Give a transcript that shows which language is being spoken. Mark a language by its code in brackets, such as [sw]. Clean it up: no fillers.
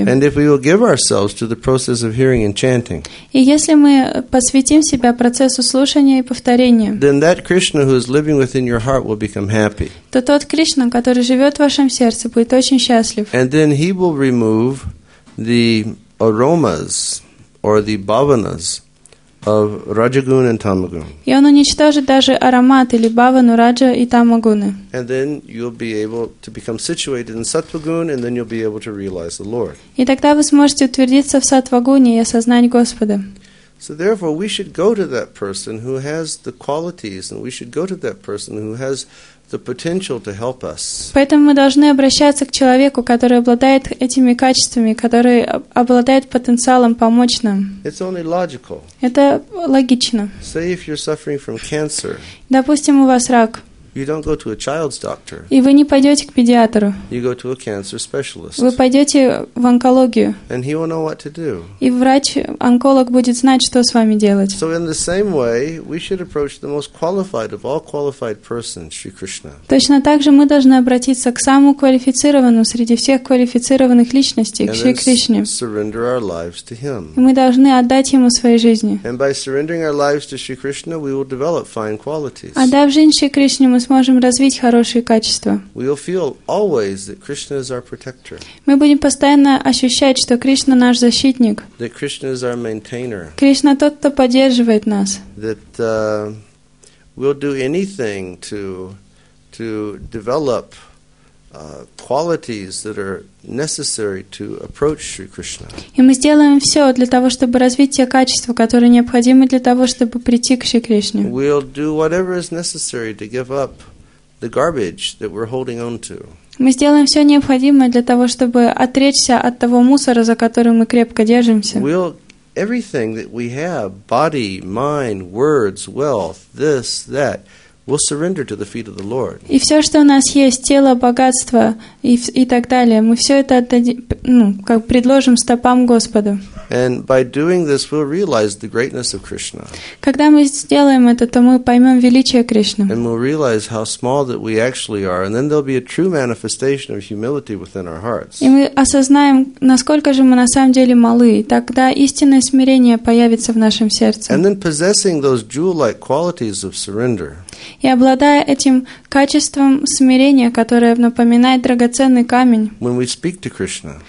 [en] And if we will give ourselves to the process of hearing and chanting, [ru] и если мы посвятим себя процессу слушания и повторения, [en] then that Krishna who is living within your heart will become happy. [ru] То тот Кришна, который живет в вашем сердце, будет очень счастлив. [en] And then he will remove the aromas or the bhavanas of Rajagun and Tamagun. [ru] И он уничтожит даже аромат или бавану Раджа и Тамагуны. [en] And then you'll be able to become situated in Сатвагун, and then you'll be able to realize the Lord. [ru] И тогда вы сможете утвердиться в Сатвагуне и осознать Господа. [en] So therefore, we should go to that person who has the qualities, and we should go to that person who has the potential to help us. [ru] Поэтому мы должны обращаться к человеку, который обладает этими качествами, который обладает потенциалом помочь нам. [en] It's only logical. [ru] Это логично. [en] Say if you're suffering from cancer. [ru] Допустим, у вас рак. [en] You don't go to a child's doctor. [ru] И вы не пойдете к педиатру. [en] You go to a cancer specialist. [ru] Вы пойдете в онкологию. [en] And he will know what to do. [ru] И врач-онколог будет знать, что с вами делать. [en] So in the same way, we should approach the most qualified of all qualified persons, Shri Krishna. [ru] Точно так же мы должны обратиться к самому квалифицированному среди всех квалифицированных личностей, к Шри Кришне. [en] Surrender our lives to him. [ru] И мы должны отдать ему свои жизни. [en] And by surrendering our lives to Shri Krishna, we will develop fine qualities. [ru] Отдав жизнь Шри Кришне, мы сможем развить хорошие качества. [en] We'll feel always that Krishna is our protector. [ru] Мы будем постоянно ощущать, что Кришна наш защитник. [en] That Krishna is our maintainer. [ru] Кришна тот, кто поддерживает нас. [en] That we'll do anything to develop qualities that are necessary to approach Shri Krishna. [ru] И мы сделаем все для того, чтобы развить те качества, которые необходимы для того, чтобы прийти к Шри Кришне. [en] We'll do whatever is necessary to give up the garbage that we're holding on to. [ru] Мы сделаем все необходимое для того, чтобы отречься от того мусора, за который мы крепко держимся. [en] We'll everything that we have, body, mind, words, wealth, this, that, we'll surrender to the feet of the Lord. [ru] И все, что у нас есть, тело, богатство и так далее, мы все это предложим стопам Господа. [en] And by doing this, we'll realize the greatness of Krishna. [ru] Когда мы сделаем это, то мы поймем величие Кришны. [en] And we'll realize how small that we actually are, and then there'll be a true manifestation of humility within our hearts. [ru] И мы осознаем, насколько же мы на самом деле малы, тогда истинное смирение появится в нашем сердце. [en] And then possessing those jewel-like qualities of surrender. [ru] И обладая этим качеством смирения, которое напоминает драгоценный камень, [en] Krishna,